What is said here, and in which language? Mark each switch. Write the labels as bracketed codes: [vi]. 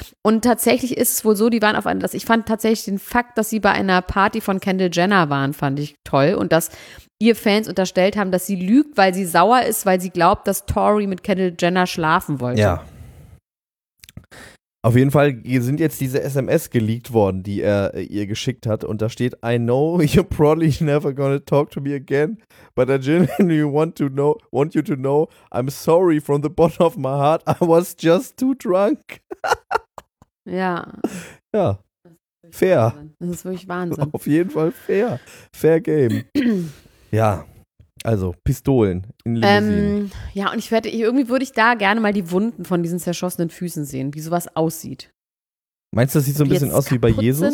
[de] Und tatsächlich ist es wohl so, die waren auf einen, ich fand tatsächlich den Fakt, dass sie bei einer Party von Kendall Jenner waren, fand ich toll. Und dass ihr Fans unterstellt haben, dass sie lügt, weil sie sauer ist, weil sie glaubt, dass Tory mit Kendall Jenner schlafen wollte. Ja. Auf jeden Fall sind jetzt diese SMS geleakt worden, die er ihr geschickt hat. Und da steht, [en] I know you're probably never gonna talk to me again, but I genuinely want you to know, I'm sorry from the bottom of my heart, I was just too drunk. [de] Ja. Ja. Fair. Das ist wirklich Wahnsinn. Auf jeden Fall fair. [en] Fair game. [de] Ja, also Pistolen in Limousinen. Ja, und ich werde, irgendwie würde ich da gerne mal die Wunden von diesen zerschossenen Füßen sehen, wie sowas aussieht. Meinst du, das sieht so ein bisschen aus wie bei Jesus?